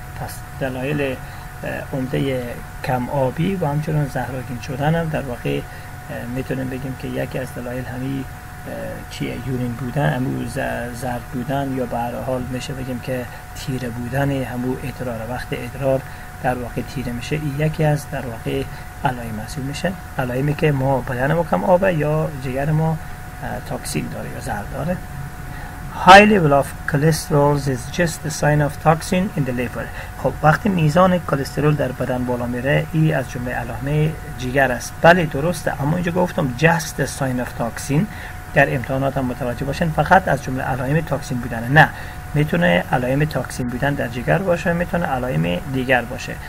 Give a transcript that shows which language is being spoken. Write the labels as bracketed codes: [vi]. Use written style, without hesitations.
[fa] پس دلایل عمده کم آبی و همچنان زهراگین شدن هم در واقع میتونیم بگیم که یکی از دلایل همی چیه، یورین بودن، همو زرد بودن، یا به هر حال میشه بگیم که تیره بودن، همو ادرار. وقت ادرار در واقع تیره میشه، این یکی از در واقع علائم محسوب میشه، علائمی که ما بدن ما کم آبه یا جگر ما تاکسین داره یا زرد داره. [en] High level of cholesterol is just the sign of toxin in the liver. [fa] خب وقتی میزان کلسترول در بدن بالا میره، ای از جمله علائم جگر است. بله درسته، اما اینجا گفتم [en] just the sign of toxin. [fa] در امتحانات هم متوجه باشین فقط از جمله علائم توکسین بودنه. نه، میتونه علائم توکسین بودن در جگر باشه، میتونه علائم دیگر باشه.